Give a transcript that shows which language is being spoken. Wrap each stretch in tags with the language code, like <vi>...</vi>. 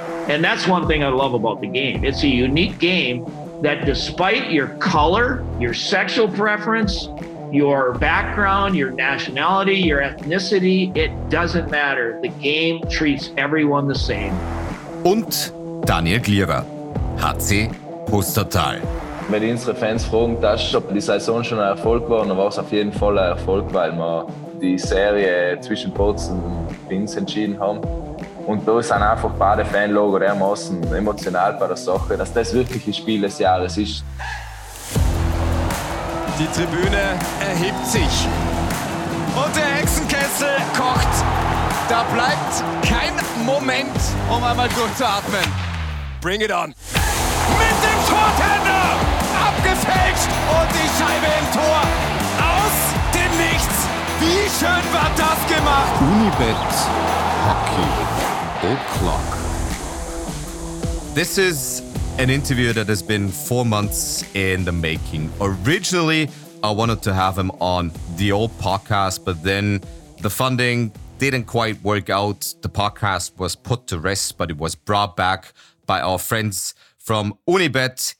<en>And that's one thing I love about the game. It's a unique game that despite your color, your sexual preference, your background, your nationality, your ethnicity, it doesn't matter. The game treats everyone the same.</en> <de>Und Daniel Glierer, HC Pustertal. Wenn ich unsere Fans fragen, dass ob die Saison schon ein Erfolg war, dann war es auf jeden Fall ein Erfolg, weil wir die Serie zwischen Bozen und Pins entschieden haben. Und da sind einfach beide Fanlogo dermaßen emotional bei der Sache, dass das wirklich ein Spiel des Jahres ist. Die Tribüne erhebt sich. Und der Hexenkessel kocht. Da bleibt kein Moment, um einmal durchzuatmen.</de> <en>Bring it on.</en> <de>Mit dem Torhänder abgefälscht und die Scheibe im Tor. Aus dem Nichts. Wie schön war das gemacht.</de> <en>Unibet Hockey. O'clock. This is an interview that has been 4 months in the making. Originally, I wanted to have him on the old podcast, but then the funding didn't quite work out. The podcast was put to rest, but it was brought back by our friends from Unibet.</en>